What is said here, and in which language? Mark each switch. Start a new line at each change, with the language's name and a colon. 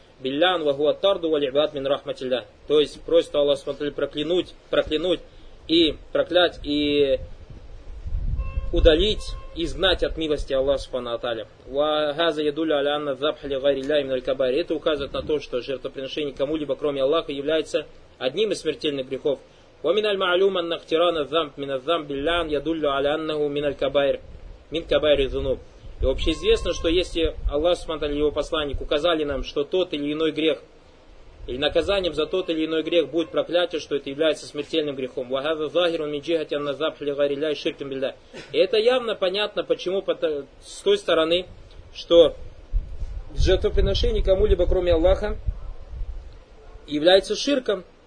Arabic: Биллян ва хуа тарду валь ибад мин рахматилля.
Russian: То есть просит Аллах субхана тааля проклянуть и проклять и удалить, изгнать от милости Аллаха субхана тааля.
Arabic: Ва газа ядуля аля анна забаха ли гайри ля имин аль кабари.
Russian: Это указывает на то, что жертвоприношение кому-либо, кроме Аллаха, является одним из смертельных грехов.
Arabic: ومن المعلوم أن اقتران الذنب من الذنب اللعن يدل على أنه من الكبائر من كبائر الذنوب.
Russian: И общеизвестно, что если Аллах субхана тааля и его посланник указали нам, что тот или иной грех или наказанием за тот или иной грех будет проклятие, что это является смертельным грехом.
Arabic: وهذا ظاهر من جهة أن ذبح لغير الله شرك بالله.
Russian: И это явно понятно, почему с той стороны, что жертвоприношение кому-либо кроме Аллаха является ширком.